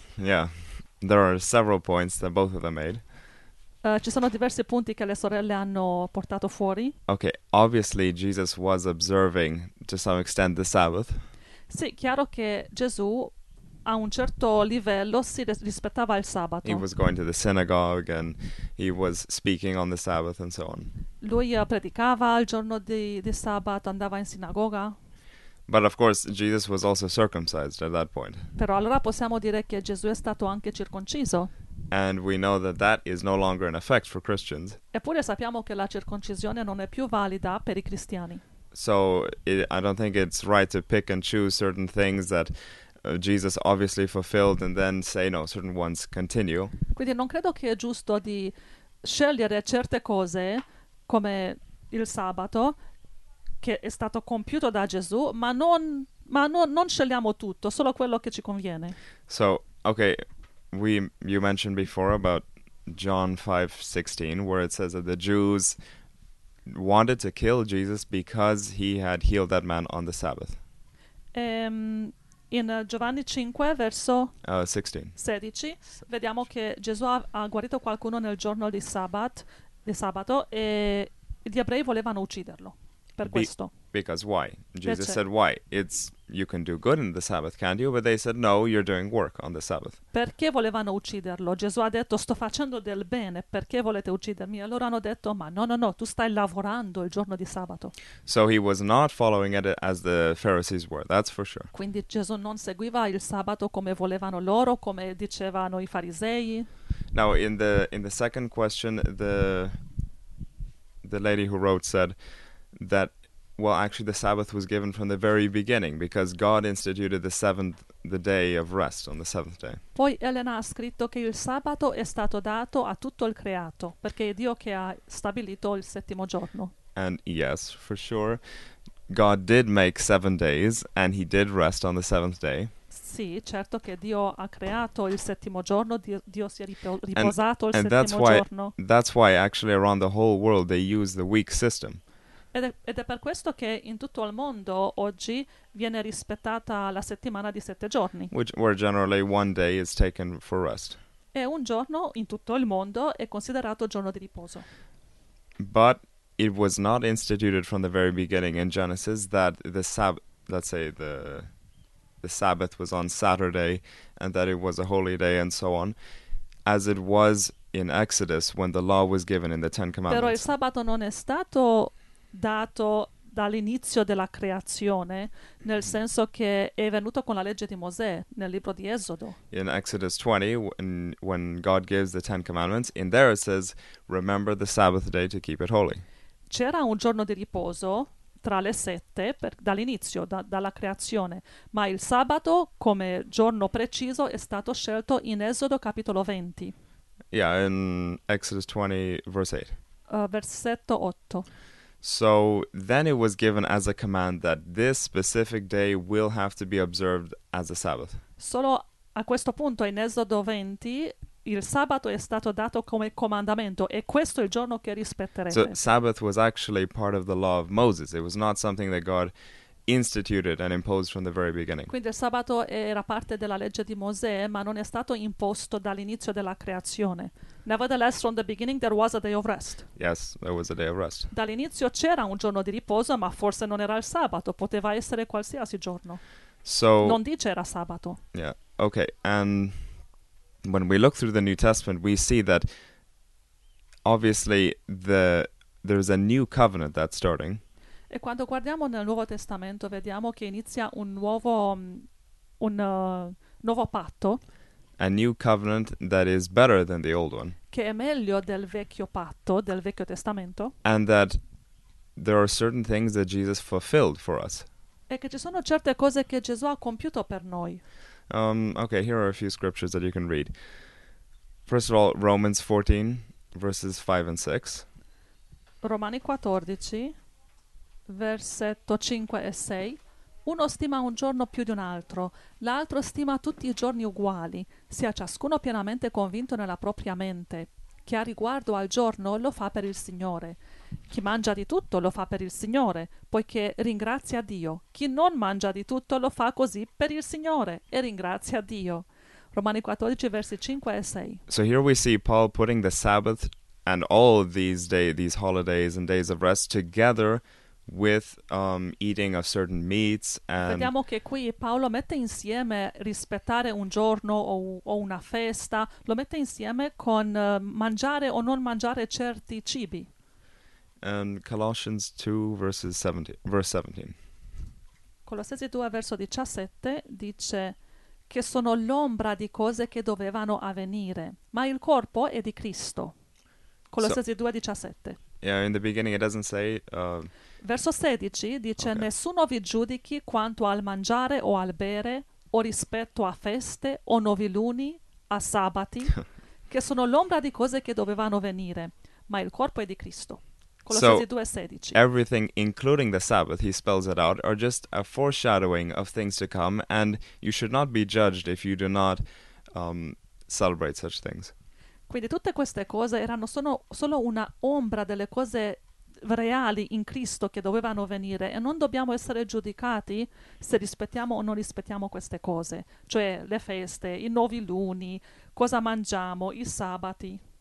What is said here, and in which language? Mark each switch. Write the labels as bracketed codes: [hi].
[en] Yeah, there are several points that both of them made. [it] Ci sono diversi punti che le sorelle hanno portato fuori. [en] Okay, obviously Jesus was observing to some extent the Sabbath. [it] Sì, chiaro che Gesù a un certo livello si rispettava il sabato. [en] He was going to the synagogue and he was speaking on the Sabbath and so on. [it] Lui predicava il giorno di sabato, andava in sinagoga. [en] But of course Jesus was also circumcised at that point. [it] Però allora possiamo dire che Gesù è stato anche circonciso. [en] And we know that that is no longer in effect for Christians. [it] Eppure sappiamo che la circoncisione non è più valida per i cristiani. [en] So I don't think it's right to pick and choose certain things that Jesus obviously fulfilled and then say no, certain ones continue. [it] Quindi non credo che è giusto di scegliere certe cose come il sabato che è stato compiuto da Gesù, ma non Ma no, non scegliamo tutto, solo quello che ci conviene. [en] So, okay, you mentioned before about John 5:16, where it says that the Jews wanted to kill Jesus because he had healed that man on the Sabbath. [it] In Giovanni 5, verso 16, vediamo che Gesù ha guarito qualcuno nel giorno di sabato, e gli ebrei volevano ucciderlo per questo. [en] Because why? Jesus said why? It's you can do good in the Sabbath, can't you? But they said no, you're doing work on the Sabbath. [it] Perché volevano ucciderlo? Gesù ha detto sto facendo del bene, perché volete uccidermi? E loro hanno detto ma no, tu stai lavorando il giorno di sabato. So he was not following it as the Pharisees were, that's for sure. Quindi Gesù non seguiva il sabato come volevano loro, come dicevano i farisei. [en] Now in the second question, the lady who wrote said that, well, actually, the Sabbath was given from the very beginning because God instituted the day of rest on the seventh day. [it] Poi Elena ha scritto che il sabato è stato dato a tutto il creato perché è Dio che ha stabilito il settimo giorno. [en] And yes, for sure, God did make 7 days and he did rest on the seventh day. [it] Sì, certo che Dio ha creato il settimo giorno, Dio si è riposato [en] and [it] il settimo giorno. [en] And that's why actually around the whole world they use the week system. [it] Ed è per questo che in tutto il mondo oggi viene rispettata la settimana di 7 giorni. [en] Where generally one day is taken for rest. [it] E un giorno in tutto il mondo è considerato giorno di riposo. [en] But it was not instituted from the very beginning in Genesis that the Sabbath was on Saturday and that it was a holy day and so on, as it was in Exodus when the law was given in the Ten Commandments. [it] Però il sabato non è stato dato dall'inizio della creazione, nel senso che è venuto con la legge di Mosè nel libro di Esodo. [en] In Exodus 20, when God gives the Ten Commandments, in there it says, remember the Sabbath day to keep it holy. [it] C'era un giorno di riposo tra le sette, dall'inizio, dalla creazione, ma il sabato come giorno preciso è stato scelto in Esodo capitolo 20. [en] Yeah, in Exodus 20, verse 8. [it] Versetto 8. [en] So then it was given as a command that this specific day will have to be observed as a Sabbath. [it] Solo a questo punto in Esodo 20 il sabato è stato dato come comandamento e questo è il giorno che rispetterete. [en] So Sabbath was actually part of the law of Moses. It was not something that God instituted and imposed from the very beginning. [it] Quindi il sabato era parte della legge di Mosè, ma non è stato imposto dall'inizio della creazione. [en] Nevertheless, from the beginning there was a day of rest. Yes, there was a day of rest. [it] Dall'inizio c'era un giorno di riposo, ma forse non era il sabato, poteva essere qualsiasi giorno. [en] So [it] non dice era sabato. [en] Yeah. Okay. And when we look through the New Testament, we see that obviously there's a new covenant that's starting. [it] E quando guardiamo nel Nuovo Testamento, vediamo che inizia un nuovo patto. [en] A new covenant that is better than the old one. [it] Che è meglio del vecchio patto, del Vecchio Testamento. [en] And that there are certain things that Jesus fulfilled for us. [it] E che ci sono certe cose che Gesù ha compiuto per noi. [en] Okay, here are a few scriptures that you can read. First of all, Romans 14, verses 5 and 6. [it] Romani 14, versetto 5 e 6. Uno stima un giorno più di un altro, l'altro stima tutti i giorni uguali, sia ciascuno pienamente convinto nella propria mente. Chi ha riguardo al giorno lo fa per il Signore. Chi mangia di tutto lo fa per il Signore, poiché ringrazia Dio. Chi non mangia di tutto lo fa così per il Signore e ringrazia Dio. Romani 14, versi 5 e 6. [en] So here we see Paul putting the Sabbath and all these days, these holidays and days of rest together with eating of certain meats. And [it] vediamo che qui Paolo mette insieme rispettare un giorno o una festa, lo mette insieme con mangiare o non mangiare certi cibi. [en] And Colossians 2, verse 17. [it] Colossesi 2, verso 17, dice che sono l'ombra di cose che dovevano avvenire, ma il corpo è di Cristo. Colossesi 2, 17. [en] Yeah, in the beginning it doesn't say [it] verso 16 dice, okay. Nessuno vi giudichi quanto al mangiare o al bere, o rispetto a feste, o noviluni, a sabati, che sono l'ombra di cose che dovevano venire, ma il corpo è di Cristo. [en] Colossians 2:16. Everything, including the Sabbath, he spells it out, are just a foreshadowing of things to come, and you should not be judged if you do not celebrate such things. [it] Quindi tutte queste cose erano solo una ombra delle cose reali in Cristo che dovevano venire, e non dobbiamo essere giudicati se rispettiamo o non rispettiamo queste cose, cioè le feste, i nuovi luni, cosa mangiamo, i sabati.